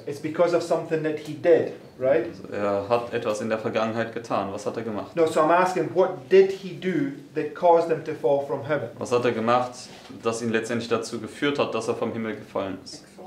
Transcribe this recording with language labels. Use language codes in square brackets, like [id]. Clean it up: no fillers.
[en] It's because of something that he did, right? [de] Also er hat etwas in der Vergangenheit getan. Was hat er gemacht? [en] No, so I'm asking, what did he do that caused them to fall from heaven? [de] Was hat er gemacht, das ihn letztendlich dazu geführt hat, dass er vom Himmel gefallen ist?